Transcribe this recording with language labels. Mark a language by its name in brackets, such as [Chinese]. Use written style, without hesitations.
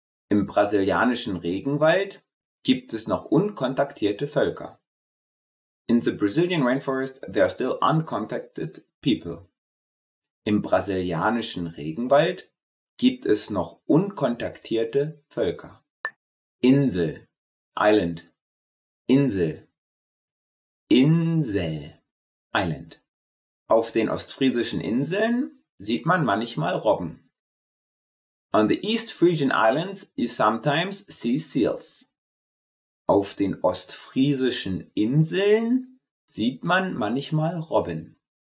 [German] Im brasilianischen Regenwald gibt es noch unkontaktierte Völker. [English] In the Brazilian rainforest there are still uncontacted people. [German] Im brasilianischen Regenwald gibt es noch unkontaktierte Völker. Insel. Island. Insel. Insel. Island. Auf den ostfriesischen Inseln sieht man manchmal Robben. [English] On the East Frisian Islands you sometimes see seals. [German] Auf den ostfriesischen Inseln sieht man manchmal Robben.